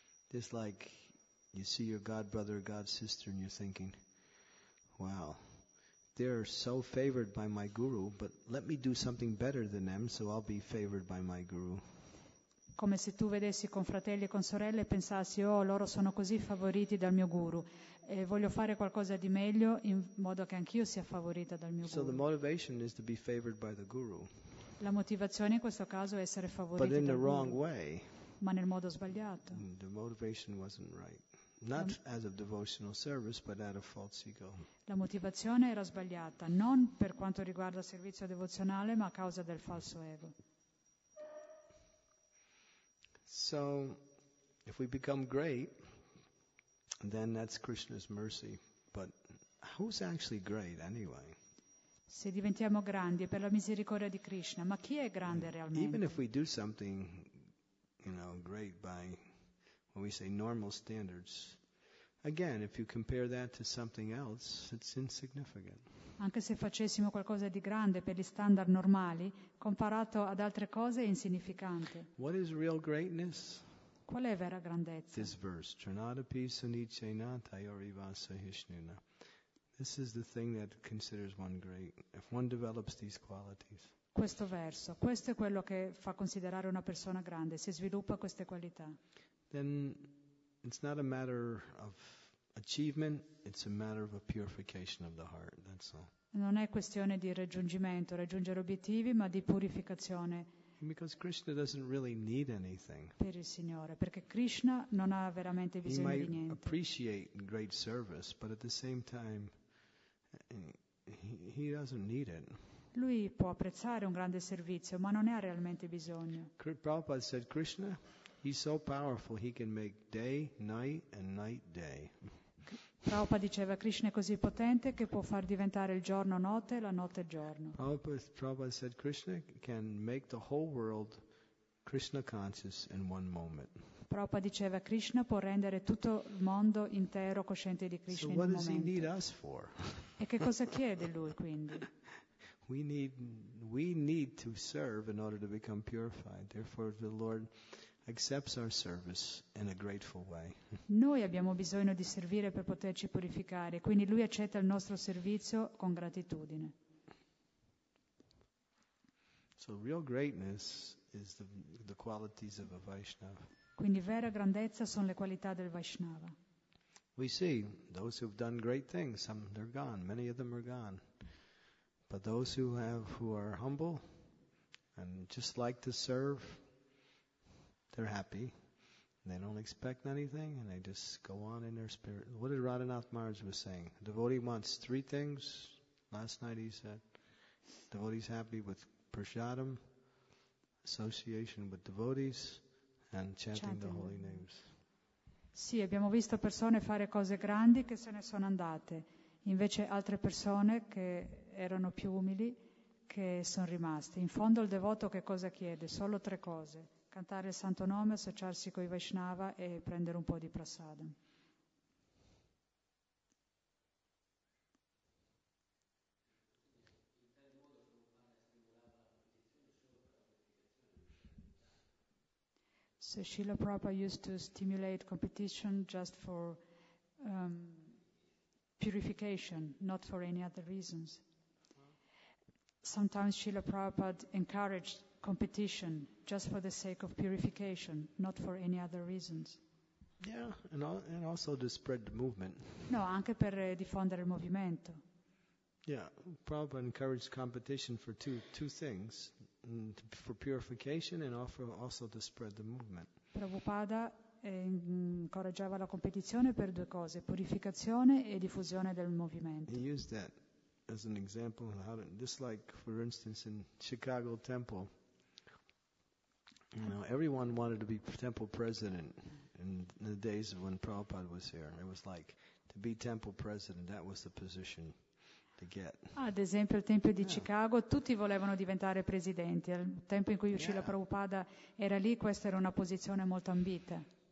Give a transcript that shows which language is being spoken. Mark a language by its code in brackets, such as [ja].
[en] Just like you see your god brother, god sister, and you're thinking, "Wow, they're so favored by my guru, but let me do something better than them, so I'll be favored by my guru." [it] Come se tu vedessi con fratelli e con sorelle e pensassi, oh, loro sono così favoriti dal mio guru, e voglio fare qualcosa di meglio in modo che anch'io sia favorita dal mio guru. [en] So the motivation is to be favored by the guru. [it] La motivazione in questo caso è essere favoriti dal guru. [en] Wrong way. [it] Ma nel modo sbagliato. [en] The motivation wasn't right. Not as a devotional service, but out of false ego. [it] La motivazione era sbagliata, non per quanto riguarda il servizio devozionale, ma a causa del falso ego. [en] So, if we become great, then that's Krishna's mercy. But who's actually great anyway? [it] Se diventiamo grandi è per la misericordia di Krishna, ma chi è grande realmente? [en] Even if we do something, you know, great by, when we say normal standards, again, if you compare that to something else, it's insignificant. [it] Anche se facessimo qualcosa di grande per gli standard normali, comparato ad altre cose è insignificante. [en] What is real greatness? [it] Qual è vera grandezza? [en] This verse, [sa] Trinadapi Sunice Natayori Vasa Hishnuna. [en] This is the thing that considers one great, if one develops these qualities. [it] Questo verso, questo è quello che fa considerare una persona grande, se sviluppa queste qualità. [en] Then it's not a matter of achievement, it's a matter of a purification of the heart, that's all. [it] Non è questione di raggiungimento, raggiungere obiettivi, ma di purificazione. [en] Because Krishna doesn't really need anything. [it] Per il Signore, perché Krishna non ha veramente bisogno di niente. [en] He might appreciate great service, but at the same time he doesn't need it. [it] Lui può apprezzare un grande servizio, ma non ne ha realmente bisogno. [en] Prabhupada said Krishna, he's so powerful, he can make day, night, and night, day. [it] Prabhupada diceva Krishna è così potente che può far diventare il giorno notte e la notte giorno. [en] Prabhupada said Krishna can make the whole world Krishna conscious in one moment. [it] Prabhupada diceva Krishna può rendere tutto il mondo intero cosciente di Krishna in un momento. [en] So what does he need us for? [it] E che cosa chiede lui quindi? [en] We need to serve in order to become purified. Therefore the Lord accepts our service in a grateful way. [it] Noi abbiamo bisogno di servire per poterci purificare, quindi lui accetta il nostro servizio con gratitudine. [en] So real greatness is the qualities of a Vaishnava. [it] Quindi vera grandezza sono le qualità del Vaishnava. [en] We see those who have done great things, some they're gone, many of them are gone. But those who are humble and just like to serve, they're happy. They don't expect anything and they just go on in their spirit. What did Radhanath Maharaj was saying? A devotee wants three things. Last night he said, devotee's happy with prasadam, association with devotees, and chanting the holy names. [it] Sì, abbiamo visto persone fare cose grandi che se ne sono andate. Invece altre persone che erano più umili che sono rimaste. In fondo il devoto che cosa chiede? Solo tre cose. Cantare il santo nome, associarsi con i Vaishnava e prendere un po' di prasadam. [en] So Srila Prabhupada used to stimulate competition just for purification, not for any other reasons. Sometimes Srila Prabhupada encouraged competition just for the sake of purification, not for any other reasons. Yeah, and also to spread the movement. [it] No, anche per diffondere il movimento. [en] Yeah, Prabhupada encouraged competition for two things, for purification and also to spread the movement. [it] Prabhupada incoraggiava la competizione per due cose, purificazione e diffusione del movimento. [en] He used that as an example, just like for instance in Chicago Temple. You know, everyone wanted to be temple president in the days when Prabhupada was here. It was like to be temple president, that was the position to get. [it] Ad esempio, al tempio di Chicago, tutti volevano diventare presidenti. Al tempo in cui Srila Prabhupada era lì, questa era una posizione molto ambita.